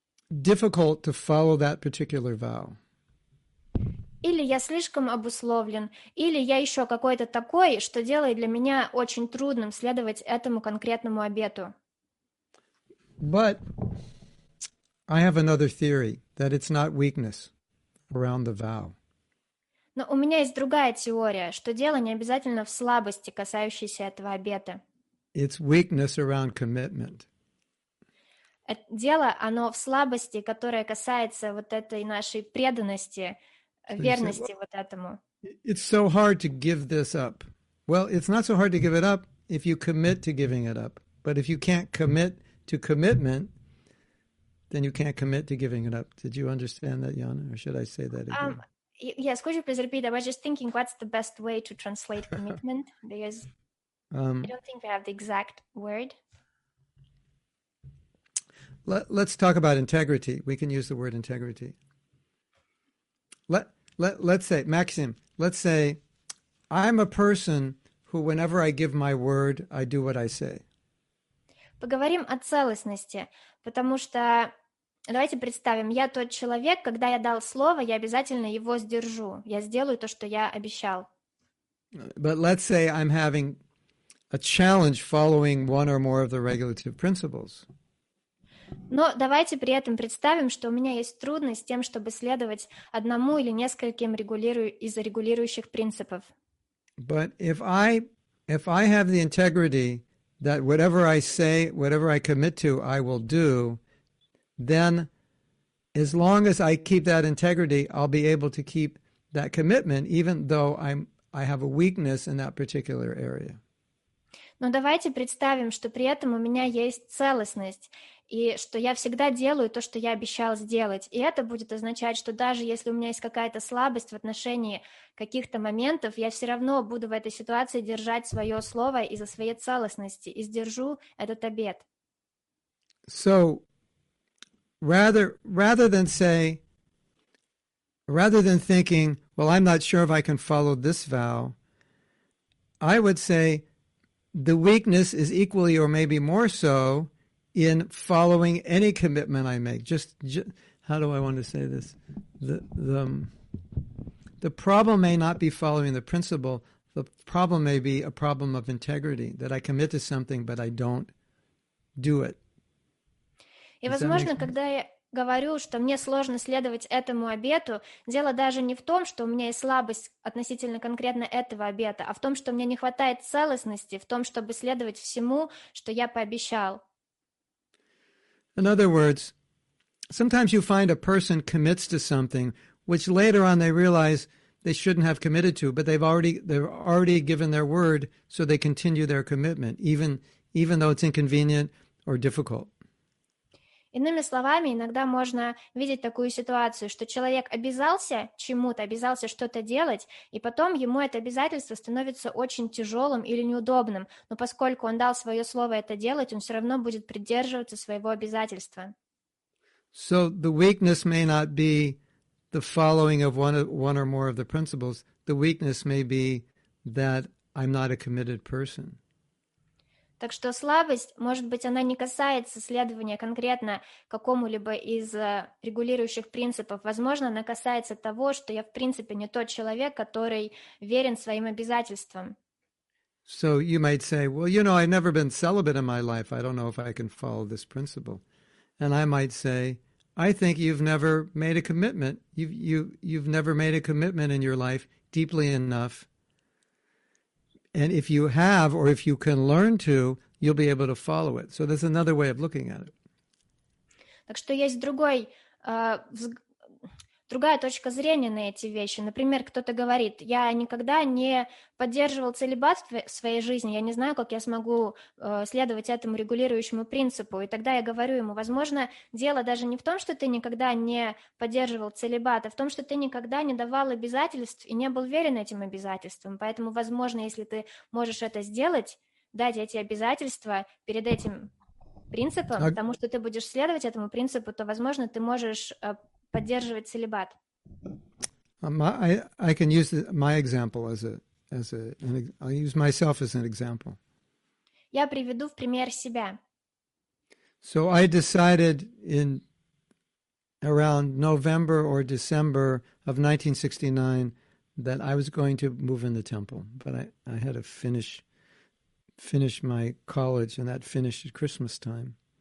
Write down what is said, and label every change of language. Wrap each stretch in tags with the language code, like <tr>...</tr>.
<en>difficult to follow that particular vow.</en> <ru>Или я слишком обусловлен, или я еще какой-то такой, что делает для меня очень трудным следовать этому конкретному обету.</ru> <en>But I have another theory that it's not weakness around the vow.</en> <ru>Но у меня есть другая теория, что дело не обязательно в слабости, касающейся этого обета.</ru> <en>It's weakness around commitment.</en> <ru>Дело, оно в слабости, которая касается вот этой нашей преданности, верности вот этому.</ru> <en>It's so hard to give this up. Well, it's not so hard to give it up if you commit to giving it up. But if you can't commit to commitment, then you can't commit to giving it up. Did you understand that, Jana? Or should I say that again? Yes, could you please repeat? I was just thinking, what's the best way to translate commitment? Because I don't think we have the exact word. Let's talk about integrity. We can use the word integrity. Let's say, Maxim, let's say, I'm a person who, whenever I give my word, I do what I say.</en> <ru>Поговорим о целостности, потому что давайте представим, я тот человек, когда я дал слово, я обязательно его сдержу. Я сделаю то, что я обещал.</ru> <en>But let's say I'm having a challenge following one or more of the regulative principles.</en> <ru>Но давайте при этом представим, что у меня есть трудность с тем, чтобы следовать одному или нескольким из регулирующих принципов.</ru> <en>But if I have the integrity that whatever I say, whatever I commit to, I will do, then as long as I keep that integrity, I'll be able to keep that commitment, even though I have a weakness in that particular area.</en> <ru>Но давайте представим, что при этом у меня есть целостность, и что я всегда делаю то, что я обещал сделать. И это будет означать, что даже если у меня есть какая-то слабость в отношении каких-то моментов, я все равно буду в этой ситуации держать свое слово из-за своей целостности и сдержу этот обет.</ru> <en>So, rather than thinking, well, I'm not sure if I can follow this vow, I would say, the weakness is equally or maybe more so in following any commitment I make. How do I want to say this? The problem may not be following the principle. The problem may be a problem of integrity, that I commit to something, but I don't do it.</en> <ru>И, возможно, когда я говорю, что мне сложно следовать этому обету, дело даже не в том, что у меня есть слабость относительно конкретно этого обета, а в том, что мне не хватает целостности в том, чтобы следовать всему, что я пообещал.</ru> <en>In other words, sometimes you find a person commits to something which later on they realize they shouldn't have committed to, but they've already given their word, so they continue their commitment, even though it's inconvenient or difficult.</en> <ru>Иными словами, иногда можно видеть такую ситуацию, что человек обязался чему-то, обязался что-то делать, и потом ему это обязательство становится очень тяжелым или неудобным, но поскольку он дал свое слово это делать, он все равно будет придерживаться своего обязательства.</ru> <en>So the weakness may not be the following of one or more of the principles. The weakness may be that I'm not a committed person.</en> <ru>Так что слабость, может быть, она не касается следования конкретно какому-либо из регулирующих принципов. Возможно, она касается того, что я, в принципе, не тот человек, который верен своим обязательствам.</ru> <en>So you might say, well, you know, I've never been celibate in my life. I don't know if I can follow this principle. And I might say, I think you've never made a commitment. You've never made a commitment in your life deeply enough. And if you have, or if you can learn to, you'll be able to follow it. So there's another way of looking at it.</en> <ru>Так что есть другая точка зрения на эти вещи. Например, кто-то говорит, я никогда не поддерживал целибат в своей жизни, я не знаю, как я смогу следовать этому регулирующему принципу. И тогда я говорю ему, возможно, дело даже не в том, что ты никогда не поддерживал целибат, а в том, что ты никогда не давал обязательств и не был верен этим обязательствам. Поэтому, возможно, если ты можешь это сделать, дать эти обязательства перед этим принципом, потому что ты будешь следовать этому принципу, то, возможно, ты можешь поддерживать целибат.</ru> <en>I can use my example I'll use myself as an example.</en> <ru>Я приведу в пример себя.</ru> <en>So I decided in around November or December of 1969 that I was going to move in the temple, but I had to finish my college, and that finished at Christmas time.</en>